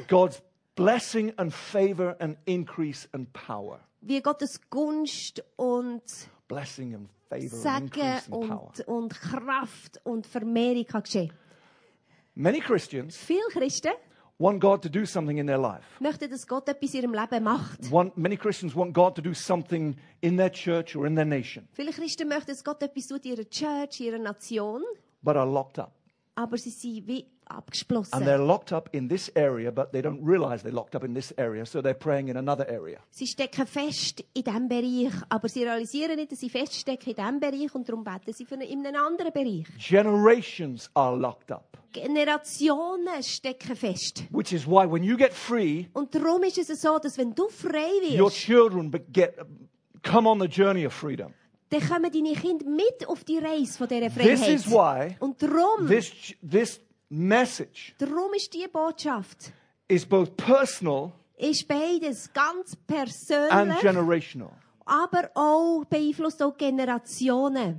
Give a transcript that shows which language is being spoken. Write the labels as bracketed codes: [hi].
[en] God's blessing and favor and increase and power. [de] Wie Gottes Gunst und [en] blessing and favor [de] Sagen [en] and [de] Kraft und Vermehrung kann geschehen. [en] Many Christians [de] viel Christen [en] want God to do something in their life. [de] Möchten, dass Gott etwas in ihrem Leben macht. [en] Many Christians want God to do something in their church or in their nation. [de] Viele Christen möchten, dass Gott etwas tut in ihrer Church, ihrer Nation. [en] But are locked up. [de] Aber sie sind wie abgeschlossen. [en] And they're locked up in this area, but they don't realize they're locked up in this area, so they're praying in another area. [de] Sie stecken fest in diesem Bereich, aber sie realisieren nicht, dass sie feststecken in diesem Bereich und darum beten sie in einem anderen Bereich. [en] Generations are locked up. [de] Generationen stecken fest. [en] Which is why when you get free, [de] und darum ist es so, dass wenn du frei wirst, [en] your children come on the journey of freedom. [de] Dann kommen deine Kinder mit auf die Reise von dieser Freiheit. [en] This is why, [de] und darum, [en] this message, [de] darum ist diese Botschaft [en] is both personal, [de] ist beides ganz persönlich [en] and generational. [de] Aber auch beeinflusst auch Generationen.